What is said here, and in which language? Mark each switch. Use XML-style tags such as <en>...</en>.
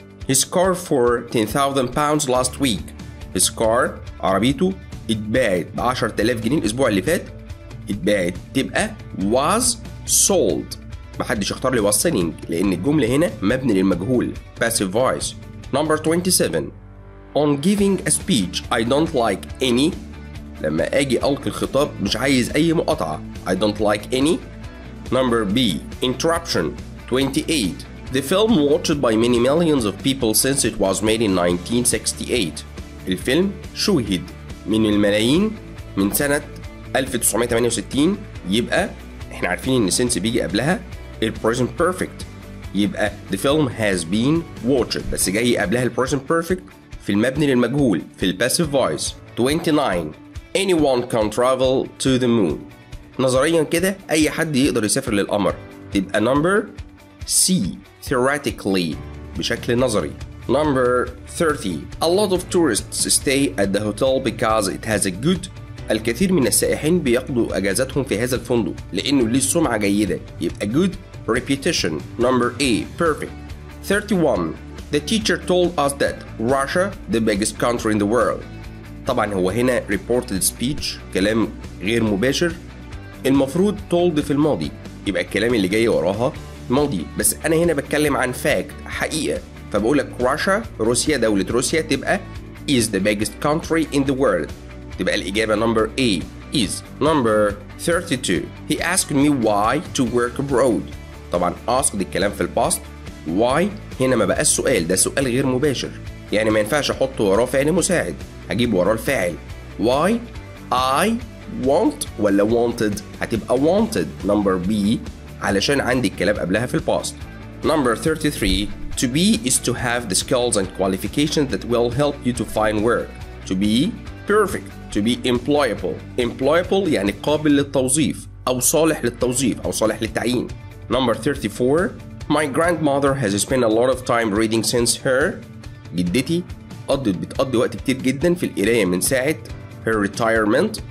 <en>His car for 10,000 pounds last week. His car,</en> <ar>عربيته, اتباعت بعشر تلاف جنيه الأسبوع اللي فات. اتباعت تبقى was sold. محدش اختار لي was selling لأن الجملة هنا مبني للمجهول.</ar> <en>Passive voice. Number 27. On giving a speech, I don't like any.</en> <ar>لما أجي ألقي الخطاب مش عايز أي مقاطعة.</ar> <en>I don't like any. Number B. Interruption. 28. The film watched by many millions of people since it was made in 1968.</en> <ar>الفيلم شوهد من الملايين من سنة 1968. يبقى احنا عارفين ان since بيجي قبلها ال present perfect.</ar> <en>يبقى the film has been watched.</en> <ar>بس جاي قبلها ال present perfect في المبني للمجهول في الباسيف فويس.</ar> <en>29. Anyone can travel to the moon.</en> <ar>نظريا كده اي حد يقدر يسافر للقمر.</ar> <en>تبقى number C. Theoretically.</en> <ar>بشكل نظري.</ar> <en>Number 30. A lot of tourists stay at the hotel because it has a good.</en> <ar>الكثير من السائحين بيقضوا اجازاتهم في هذا الفندق لانه ليه سمعة جيدة.</ar> <en>يبقى good reputation. Number A. Perfect. 31. The teacher told us that Russia the biggest country in the world.</en> <ar>طبعا هو هنا reported speech كلام غير مباشر. المفروض told في الماضي يبقى الكلام اللي جاي وراها ماضي. بس انا هنا بتكلم عن fact حقيقة فبقولك Russia روسيا دولة روسيا تبقى</ar> <en>is the biggest country in the world. تبقى الإجابة number A is. Number 32. He asked me why to work abroad.</en> <ar>طبعا ask دي الكلام في الباست. Why هنا ما بقى السؤال ده سؤال غير مباشر يعني ما ينفعش أحط وراه فعل مساعد هجيب وراه الفاعل.</ar> <en>Why I want ولا wanted هتبقى wanted.</en> <ar>Number B علشان عندي الكلام قبلها في الباست. Number 33.</ar> <en>To be is to have the skills and qualifications that will help you to find work. To be perfect. To be employable.</en> <ar>Employable يعني قابل للتوظيف أو صالح للتوظيف أو صالح للتعيين.</ar> <en>Number 34. My grandmother has spent a lot of time reading since her.</en> <ar>جدتي قضت بتقضي وقت كتير جدا في القراية من ساعة her retirement.</ar>